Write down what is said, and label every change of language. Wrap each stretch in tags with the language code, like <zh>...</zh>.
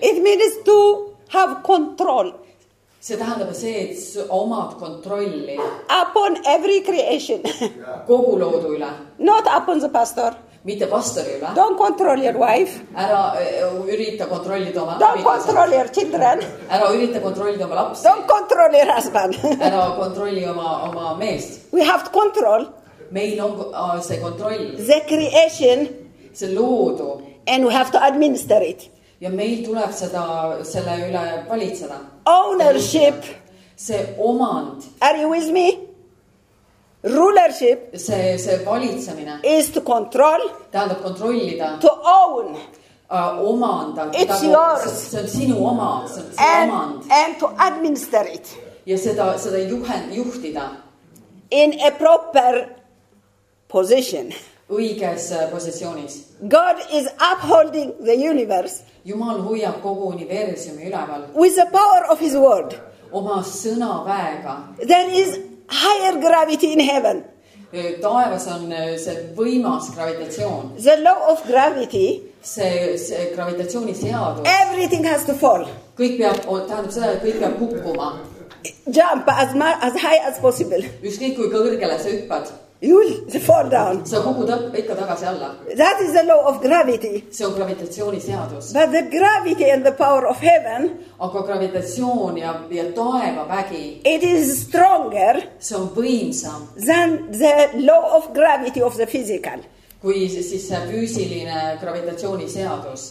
<en>It means to have control.</en> <et>See tähendab see, et omad kontrolli.</et> <en>Upon every creation.</en> <et>Kogu loodu üle.</et> <en>Not upon the pastor.</en> <et>Mitte pastori üle.</et> <en>Don't control your wife.</en> <et>Ära ürita kontrollida oma</et> <en>Don't control your children.</en> <et>Ära ürita kontrollida oma lapsi.</et> <en>Don't control your husband.</en> <et>Ära kontrolli oma meest.</et> <en>We have to control.</en> <et>Meil on see kontroll.</et> <en>The creation.</en> <et>See loodu.</et> <en>And we have to administer it.</en> <et>Ja meil tuleb seda selle üle valitseda.</et> <en>Ownership.</en> <et>See omand.</et> <en>Are you with me? Rulership</en> <et>see valitsemine</et> <en>is to control</en> <et>tähendab kontrollida</et> <en>to own</en> <et>omanda</et> <en>it's yours</en> <et>see on sinu oma see on omand</et> <en>and to administer it</en> <et>ja seda juhtida</et> <en>in a proper position</en> <et>õiges positsioonis</et> <en>God is upholding the universe</en> <et>Jumal hoiab kogu universumi üleval</et> <en>with the power of his word</en> <et>oma sõna väega</et> <en>there is higher gravity in heaven.</en> <et>Taevas on see võimas gravitatsioon.</et> <en>The law of gravity.</en> <et>See gravitatsiooni seadus.</et> <en>Everything has to fall.</en> <et>Kõik peab, tähendab seda, et kõik peab kukkuma.</et> <en>Jump as high as possible.</en> <et>Ükskõik kui kõrgele sa hüppad.</et> <en>You will fall down.</en> <et>Sa kukud ikka tagasi alla.</et> <en>That is the law of gravity.</en> <et>See on gravitatsiooni seadus.</et> <en>But the gravity and the power of heaven.</en> <et>Aga gravitatsioon ja taeva vägi.</et> <en>It is stronger.</en> <et>See on võimsam.</et> <en>Than the law of gravity of the physical.</en> <et>Kui siis see füüsiline gravitatsiooni seadus.</et>